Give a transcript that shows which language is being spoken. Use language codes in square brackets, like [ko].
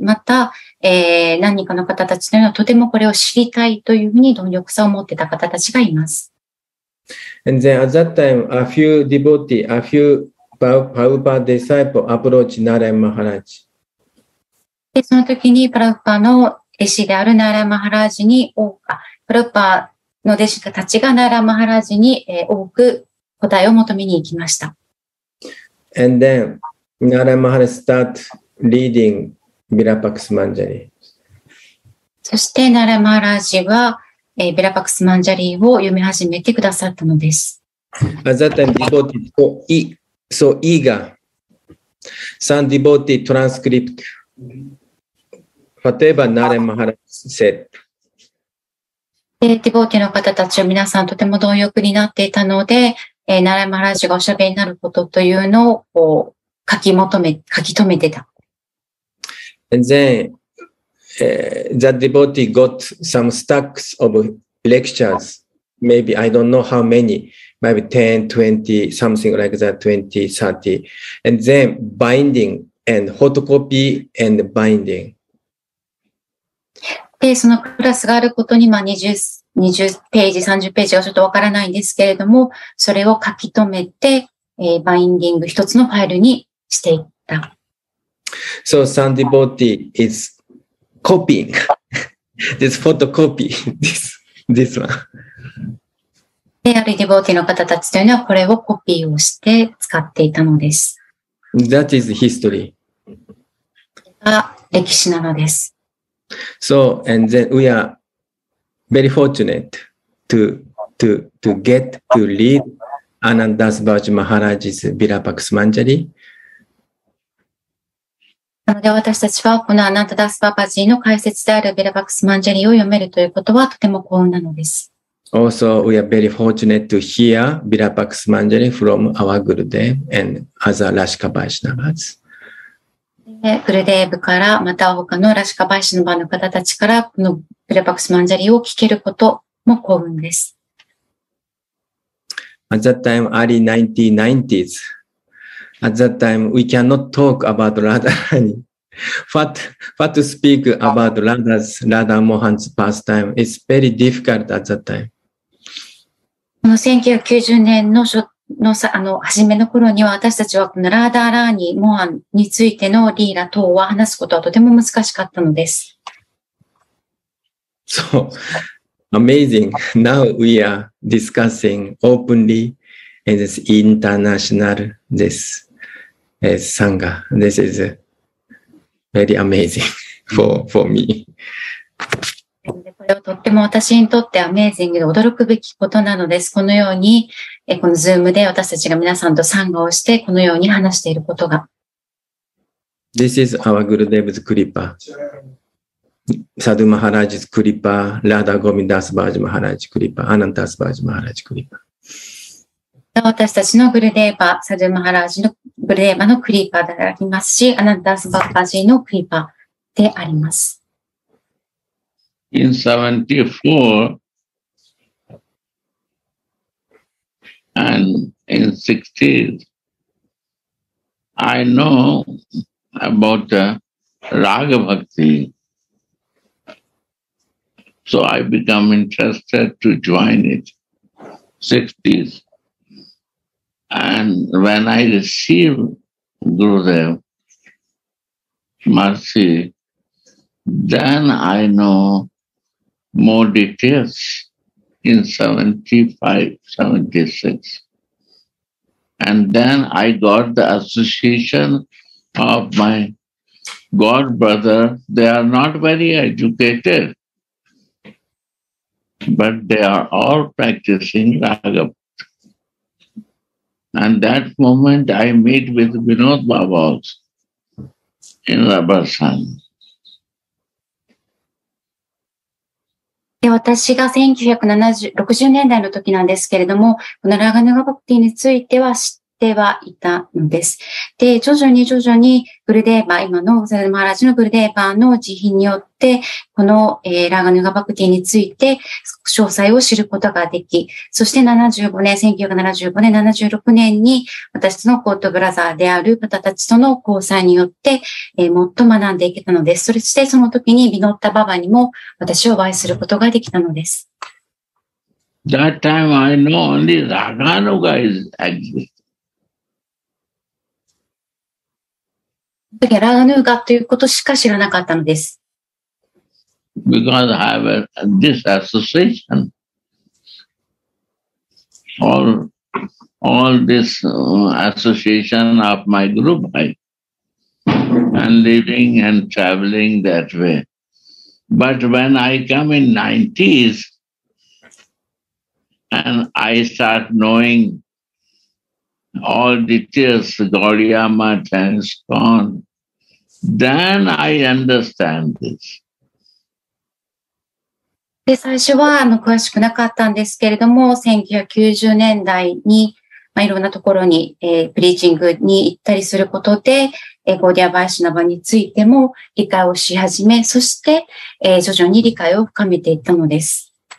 [ja] また、何人かの方たちというのはとてもこれを知りたいというふうに貪欲さを持ってた方たちがいます。 [en] And then at that time, a few devotees, a few Prabhupada disciples approached Narayan Maharaj. [ja] で、その時に、プラウパの弟子であるナーラン・マハラージに、プラウパの弟子たちがナーラン・マハラージに、多く答えを求めに行きました。 [en] And then, Narayan Maharaj started reading Virapaksh Manjari. [ja] そして、ナーラン・マハラージは、ビラパクスマンジャリーを読み始めてくださったのです。 [en] At that time, devotees were so eager. Some devotees transcript whatever Naren Maharaj said. [ja] デボティの方たちは皆さんとても貪欲になっていたので、ナレンマハラジがおしゃべりになることというのを書き留めてた。 [en] And then,that devotee got some stacks of lectures. Maybe, I don't know how many. Maybe 10, 20, something like that, 20, 30. And then binding and photocopy and binding. [ja] で、そのクラスがあることに、まあ、20ページ、30ページがちょっとわからないんですけれども、それを書き留めて、バインディング一つのファイルにしていった。 [en] So, some devotee is,Copying this photocopy, this one. [ja] で、あるデボーティの方たちというのはこれをコピーをして使っていたのです。 [en] That is history. [ja] が歴史なのです。 [en] So, and then we are very fortunate to get to read Anandas Bhaji Maharaj's Virapaksh Manjari. [ja] なので私たちはこのアナンタダスバーバジーの解説であるヴィラパクスマンジャリを読めるということはとても幸運なのです。 [en] Also, we are very fortunate to hear ヴィラパクスマンジャリ from our Gurudev and other Rashika Vaishnavas. [ja] グルデーブからまた他のラシカバイシナバの方たちからこのヴィラパクスマンジャリを聞けることも幸運です。 [en] At that time, early 1990s, At that time, we cannot talk about Radharani. What to speak about Radha Mohan's pastime? It's very difficult at that time. [ja] この1990年の初のさ、初めの頃には私たちはこのラーダーラーニ、モアンについてのリーラ等は話すことはとても難しかったのです。 [en] So, amazing. Now we are discussing openly in this international this, sangha. This is very amazing for me. [ja] とっても私にとってアメージングで驚くべきことなのです。このようにこのズームで私たちが皆さんと参加をしてこのように話していることが。 [en] This is our Gurudev's Kripa. Sadhu Maharaj's Kripa, Radha Govindas Bhaj Maharaj's Kripa, Anantas Bhaj Maharaj's Kripa. [ja] 私たちのグルデーバ、サドゥマハラージのグルデーバのクリーパーでありますし、アナンタスバッバジのクリーパーであります。 [en] In 74 and in 60s, I know about Raga Bhakti. So I become interested to join it, 60s. And when I receive Gurudev mercy, then I knowMore details in 75-76. And then I got the association of my god brother. They are not very educated, but they are all practicing Raga Bhakti. And that moment I meet with Vinod Baba in Rubber Sun. [ja] で私が1960年代の時なんですけれども、このラガヌガバクティについては知ってはいたのです。で、徐々にグルデーバー、今のサドゥマハラジのグルデーバーの慈悲によって、この、ラガヌガバクティについて詳細を知ることができ、そして76年に私のコートブラザーである方たちとの交際によって、もっと学んでいけたのです。そしてその時にビノッタババにも私をお会いすることができたのです。 [en] That time I know only Raganuga is existing. [ja] ラガヌガということしか知らなかったのです。 [en] Because I have this association, all this association of my group, and living and traveling that way. But when I come in 90s, and I start knowing all details, Gaudiya Math and Iskcon, then I understand this. [ja] で最初は詳しくなかったんですけれども、1990年代に、いろんなところに、プリーチングに行ったりすることで、ゴーディア・バイシュナバについても理解をし始め、そして、徐々に理解を深めていったのです。